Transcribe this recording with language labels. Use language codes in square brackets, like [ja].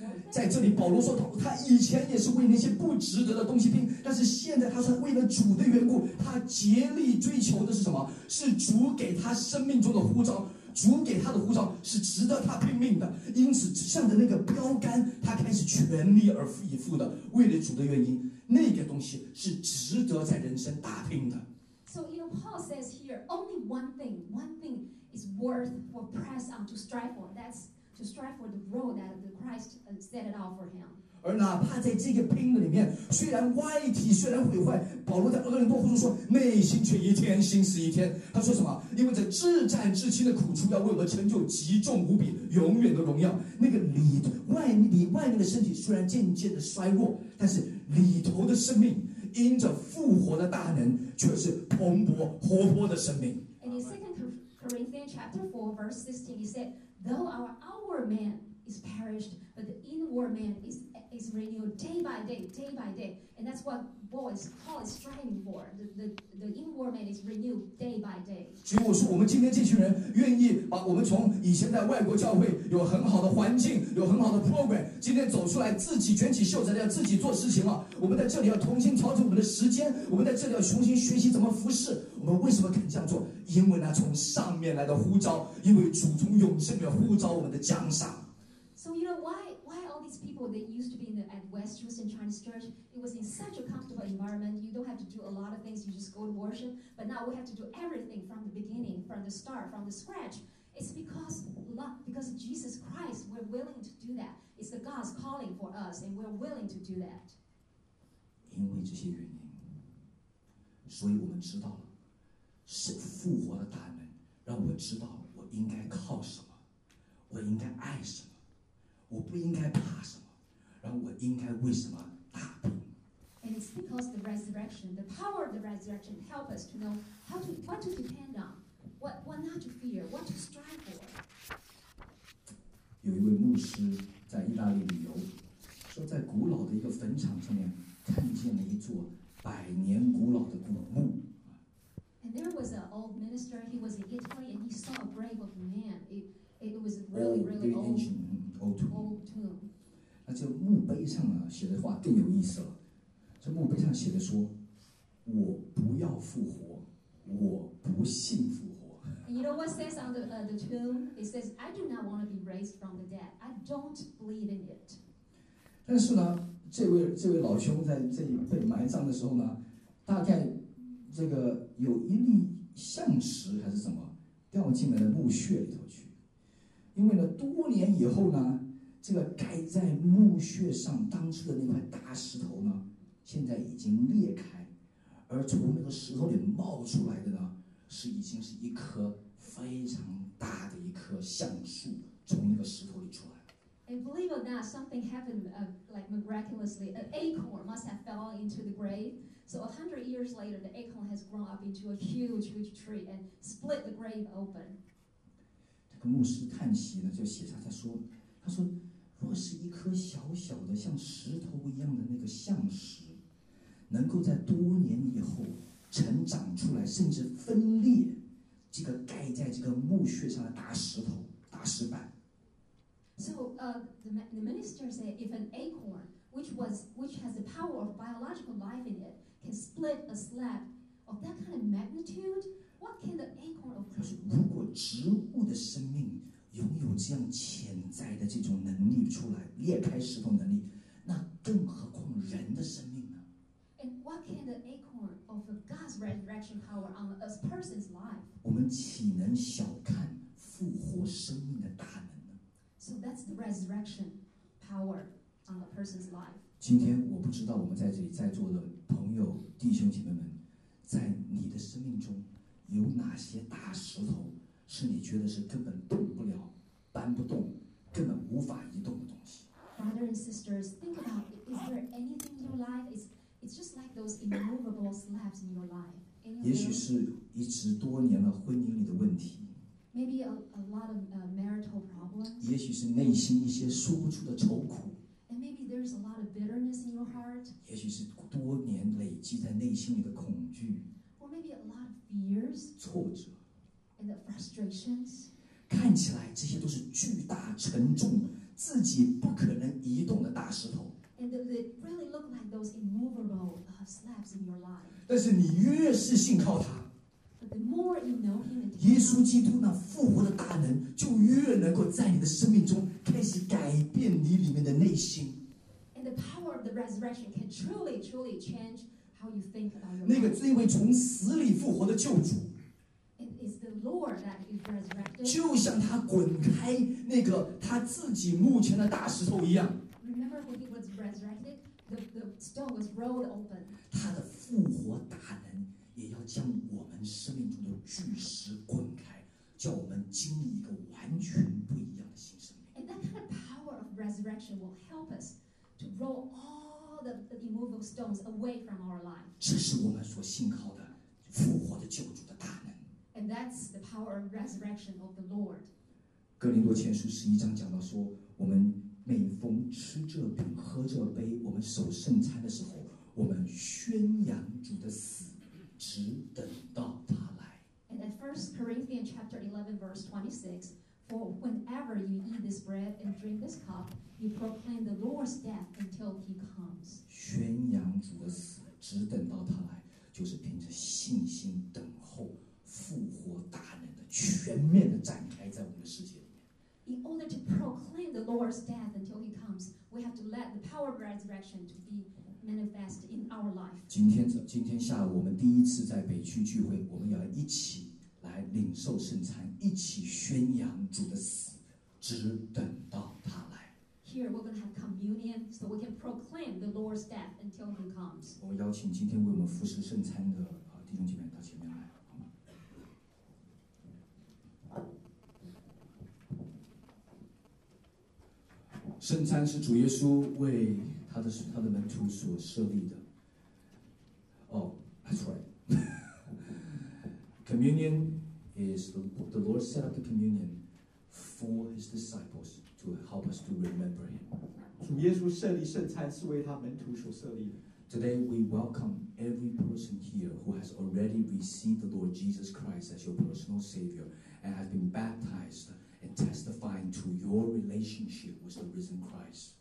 [zh] 在这里保罗说他以前也是为那些不值得的东西拼，但是现在他说为了主的缘故，他竭力追求的是什么？是主给他生命中的呼召，主给他的呼召是值得他拼命的，因此向着那个标杆他开始全力而以赴的，为了主的原因，那个东西是值得在人生打拼的。 [en] So you know, Paul says here, only one thing is worth for press on to strive for. That's to strive for the role that the Christ set it out for him. [zh] 而哪怕在这个拼的里面，虽然外体虽然毁坏，保罗在哥林多后书说，内心却一天心思一天。他说什么？因为这至战至轻的苦处要为我们成就极重无比、永远的荣耀。那个里外里外面的身体虽然渐渐的衰弱，但是里头的生命。因着复活的大能，却是蓬勃活泼的生命。 [en] And in 2 Corinthians chapter 4 verse 16, he said, "Though our outward man is perished, but the inward man is renewed day by day, day by day." And that's what Paul is striving for. The inward man is renewed day by day. [zh] 所以我说，我们今天这群人愿意把我们从以前在外国教会有很好的环境、有很好的 program， 今天走出来自己卷起袖子来自己做事情了。我们在这里要重新调整我们的时间，我们在这里要重新学习怎么服侍。我们为什么肯这样做？因为那从上面来的呼召，因为主从永生里呼召我们的奖赏。 [en] So you know why all these people that used to be in the at West Houston Chinese Church, it was in such a comfortable environment. You don't have to do a lot of things. You just go to worship. But now we have to do everything from the beginning, from the start, from the scratch. It's because Jesus Christ, we're willing to do that. It's the God's calling for us, and we're willing to do that. [zh] 因为这些原因，所以我们知道了，是复活的大能让我知道我应该靠什么，我应该爱什么。我不应该怕什么，然后我应该为什么打拼。 [en] And it's because the resurrection, the power of the resurrection, help us to know how to, what to depend on, what not to fear, what to strive for. [zh] 有一位牧师在意大利旅游，说在古老的一个坟场上面看见了一座百年古老的古墓。 [en] And there was an old minister. He was in Italy, and he saw a grave of a man. It was really, really old. [zh] 那这墓碑上呢写的话更有意思了。这墓碑上写的说：“我不要复活，我不信复活。” [en] You know what says on the tomb? It says, "I do not want to be raised from the dead. I don't believe in it." [zh] 但是呢，这位老兄在这里被埋葬的时候呢，大概这个有一粒象石还是什么掉进了墓穴里头去。因为呢，多年以后呢，这个盖在墓穴上当初的那块大石头呢，现在已经裂开，而从那个石头里冒出来的呢，是已经是一棵非常大的一棵橡树从那个石头里出来。 [en] And believe it or not, something happened like miraculously. An acorn must have fell into the grave. So 100 years later, the acorn has grown up into a huge, huge tree and split the grave open. [zh] 跟牧师叹息呢，就写下他说：“他说，若是一颗小小的像石头一样的那个橡石，能够在多年以后成长出来，甚至分裂这个盖在这个墓穴上的大石头、大石板。” [en] So, the minister said, if an acorn which has the power of biological life in it can split a slab of that kind of magnitude. What can the acorn of life? [zh] 如果植物的生命拥有这样潜在的这种能力出来裂开石头能力，那更何况人的生命呢？ [en] And what can the acorn of God's resurrection power on a person's life? [zh] 我们岂能小看复活生命的大能呢？ [en] So that's the resurrection power on a person's life. [zh] 今天我不知道我们在这里在座的朋友弟兄姐妹们，在你的生命中。有哪些大石头是你觉得是根本动不了、搬不动、根本无法移动的东西 [en] ？Brother and sisters, think about it. Is there anything in your life? It's just like those immovable slabs in your life. [zh] 也许是一直多年了婚姻里的问题。 [en] Maybe a lot of marital problems. [zh] 也许是内心一些说不出的愁苦。 [en] And maybe there's a lot of bitterness in your heart. [zh] 也许是多年累积在内心里的恐惧。 [en] Maybe a lot of fears, [zh] 挫折 [en] and the frustrations. [zh] 看起来这些都是巨大沉重，自己不可能移动的大石头。 [en] And they really look like those immovable slabs in your life. [zh] 但是你越是信靠他， [en] But the more you know him, [zh] 耶稣基督那复活的大能就越能够在你的生命中开始改变你里面的内心。 [en] And the power of the resurrection can truly, truly change how you think about your life. [zh] 那个这位从死里复活的救主。 [en] Is the Lord that is resurrected? [zh] 就像他滚开那个他自己墓前的大石头一样。 [en] Remember when he was resurrected, the stone was rolled open. [zh] 他的复活大能也要将我们生命中的巨石滚开，叫我们经历一个完全不一样的新生命。 [en] And that kind of power of resurrection will help us to roll all the immovable stones away from our life. [zh] 这是我们所信靠的复活的救主的大能。 [en] And that's the power of resurrection of the Lord. [zh] 哥林多前书十一章讲到说，我们每逢吃这饼喝这杯，我们守圣餐的时候，我们宣扬主的死，只等到他来。 [en] And at 1 Corinthians chapter 11 verse 26, for whenever you eat this bread and drink this cup, you proclaim the Lord's death until he comes. [zh] 宣扬主的死，只等到他来，就是凭着信心等候。复活大能的全面的展开在我们的世界里面。 [en] In order to proclaim the Lord's death until He comes, we have to let the power of resurrection to be manifest in our life. [zh] 今天下午我们第一次在北区聚会，我们要一起来领受圣餐，一起宣扬主的死，只等到他来。 [en] Here we're going to have communion so we can proclaim the Lord's death until He comes. [zh] 我邀请今天为我们服侍圣餐的弟兄姐妹到前面来。圣餐是主耶稣为他的门徒所设立的。 [en] That's right. Communion is the Lord set up the communion for his disciples to help us to remember him. [zh] 主耶稣设立圣餐是为他门徒所设立的。 [en] Today we welcome every person here who has already received the Lord Jesus Christ as your personal Savior and has been baptized. And testifying to your relationship with the risen Christ.